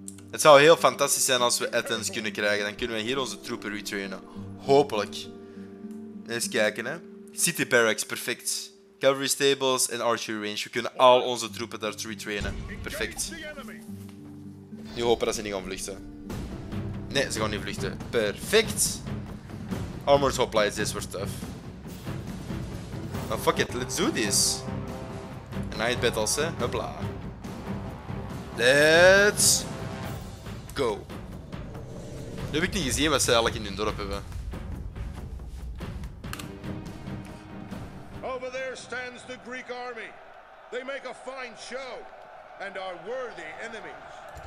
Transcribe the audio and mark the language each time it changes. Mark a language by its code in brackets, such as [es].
[nl] Het zou heel fantastisch zijn als we Athens kunnen krijgen. Dan kunnen we hier onze troepen retrainen. Hopelijk. Eens kijken, hè. City barracks, perfect. Cavalry stables en archery range. We kunnen al onze troepen daar retrainen. Perfect. Nu hopen dat ze niet gaan vluchten. Nee, ze gaan niet vluchten. Perfect. [en] Armored hoplites, this was tough. Well, fuck it, let's do this. Night battles, hè? Hopla. Let's go. [nl] Nu heb ik niet gezien wat ze eigenlijk in hun dorp hebben. [en] Over there stands the Greek army. They make a fine show and are worthy enemies.